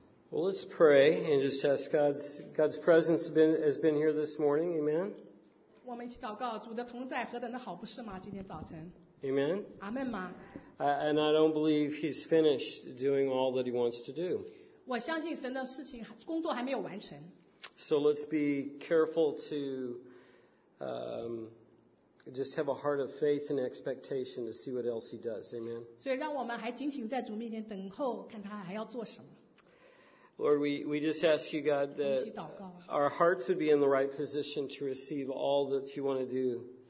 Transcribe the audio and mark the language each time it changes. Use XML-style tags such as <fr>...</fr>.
<en>Well, let's pray and just ask God's presence has been here this morning. Amen.</en> <zh>我们一起祷告，主的同在何等的好，不是吗？今天早晨。</zh> <en>Amen.</en> <zh>阿门吗？</zh> <en>And I don't believe He's finished doing all that He wants to do.</en> <zh>我相信神的事情工作还没有完成。</zh> <en>So let's be careful to just have a heart of faith and expectation to see what else He does. Amen.</en> <zh>所以让我们还警醒在主面前等候，看他还要做什么。</zh> <en>Lord, we just ask you, God, that our hearts would be in the right position to receive all that you want to do.</en>